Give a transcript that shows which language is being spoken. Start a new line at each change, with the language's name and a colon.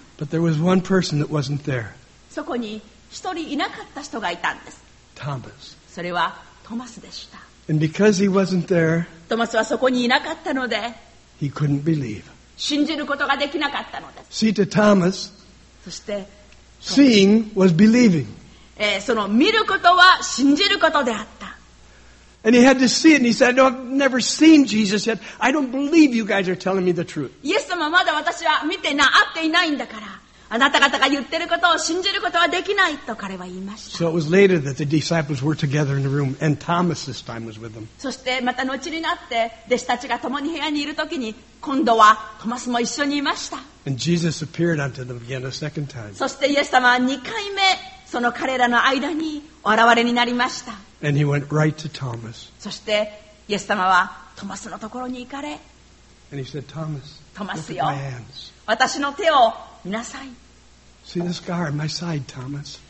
English: But there was one person that wasn't there.
Japanese: そこに一人いなかった人がいたんです。
English: Thomas.
Japanese: それはトマスでした。
English: And because he wasn't there,
Japanese: トマスはそこにいなかったので、
English: he couldn't believe.
Japanese: 信じることができなかったのです。
English: See to Thomas.
Japanese: そして、
English: seeing was believing.
Japanese: その見ることは信じることであった。
English: And he had to see it and he said, No, I've never seen Jesus yet. I don't believe you guys are telling me the truth.
Japanese: イエス様まだ私は見てな、会っていないんだから、あなた方が言ってることを信じることはできないと彼は言いました。
English: So it was later that the disciples were together in the room and Thomas this time was with them.
Japanese: そしてまた後になって、弟子たちが共に部屋にいるときに、今度はトマスも一緒にいました。
English: And Jesus appeared unto them again a second time.
Japanese: そしてイエス様は2回目その彼らの間にお現れになりました。
English: And he went right to Thomas.
Japanese: そしてイエス様はトマスのところに行かれ。
English: And he said, Thomas,
Japanese: トマスよ、
English: look at my hands.
Japanese: 私の手を見なさい。
English: See the scar on my side, Thomas.